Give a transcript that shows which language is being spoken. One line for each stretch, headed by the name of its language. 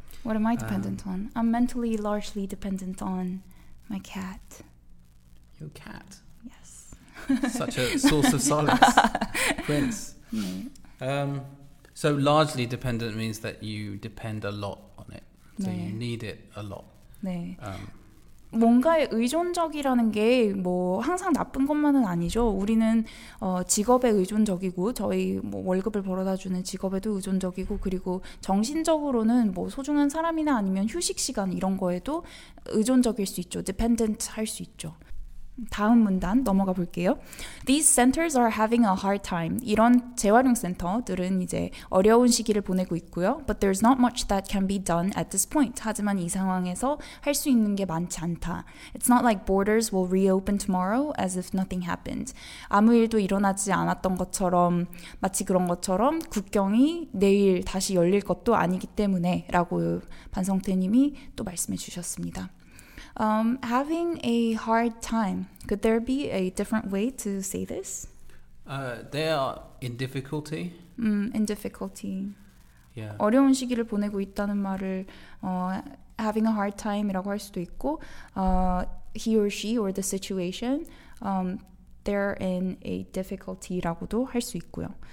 English: What am I dependent on? I'm mentally largely dependent on my cat. Your cat? Such a source of solace, Prince. So largely dependent means that you depend a lot on it. So 네. You need it a lot.
Korean: 네. 뭔가에 의존적이라는 게 뭐 항상 나쁜 것만은 아니죠. 우리는 직업에 의존적이고 저희 뭐 월급을 벌어다 주는 직업에도 의존적이고 그리고 정신적으로는 뭐 소중한 사람이나 아니면 휴식 시간 이런 거에도 의존적일 수 있죠. Dependent 할 수 있죠. 다음 문단 넘어가 볼게요.
English: These centers are having a hard time.
Korean: 이런 재활용 센터들은 이제 어려운 시기를 보내고 있고요.
English: But there's not much that can be done at this point.
Korean: 하지만 이 상황에서 할 수 있는 게 많지 않다.
English: It's not like borders will reopen tomorrow as if nothing happened.
Korean: 아무 일도 일어나지 않았던 것처럼 마치 그런 것처럼 국경이 내일 다시 열릴 것도 아니기 때문에 라고 반성태님이 또 말씀해 주셨습니다.
English: Having a hard time. Could there be a different way to say this? They are in difficulty. In difficulty. Yeah.
Korean: 어려운 시기를 보내고 있다는 말을
English: having a hard time
Korean: 이라고 할 수도 있고
English: he or she or the situation they're in a difficulty
Korean: 라고도 할 수 있고요.